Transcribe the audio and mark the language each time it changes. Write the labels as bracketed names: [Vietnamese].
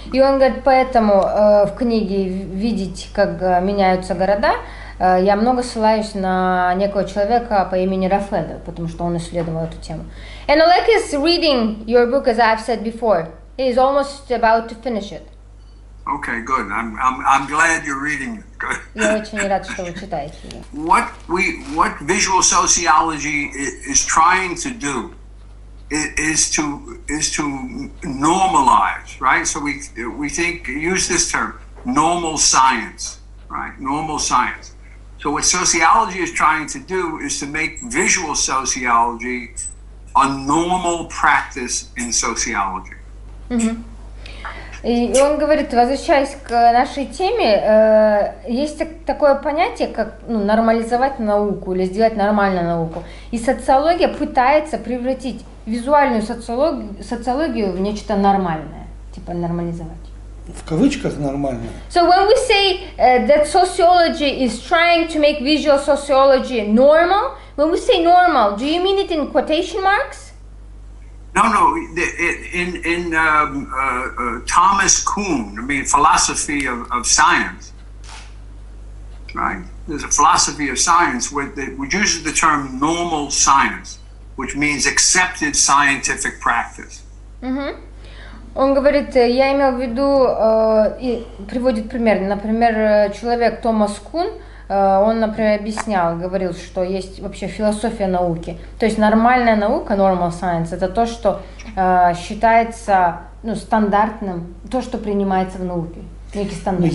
[Russian] И он говорит, поэтому в книге «Видеть, как меняются города» я много ссылаюсь на некого человека по имени Рафедо, потому что он исследовал эту тему. [English] And Oleg is reading your book, as I've said before. He is almost about to finish it. Okay, good. I'm glad you're reading it. [Russian] Я очень рад, что вы читаете. [English] What visual sociology is trying to do, is to normalize, right? So we think, use this term, normal science, right? Normal science. So what sociology is trying to do is to make visual sociology a normal practice in sociology. Mm-hmm. [Russian] И он говорит, возвращаясь к нашей теме, есть такое понятие, как нормализовать науку или сделать нормальную науку. И социология пытается превратить визуальную социологию в нечто нормальное, типа нормализовать. В кавычках нормальное. [English] So when we say that sociology is trying to make visual sociology normal, when we say normal, do you mean it in quotation marks? No. In Thomas Kuhn, philosophy of science, right? There's a philosophy of science which uses the term normal science, which means accepted scientific practice. Mm-hmm. [Russian] Он говорит, я имел в виду, и приводит пример. Например, человек Томас Кун, он, например, объяснял, говорил, что есть вообще философия науки. То есть нормальная наука, [English] normal science, [Russian] это то, что считается стандартным, то, что принимается в науке, некий стандарт.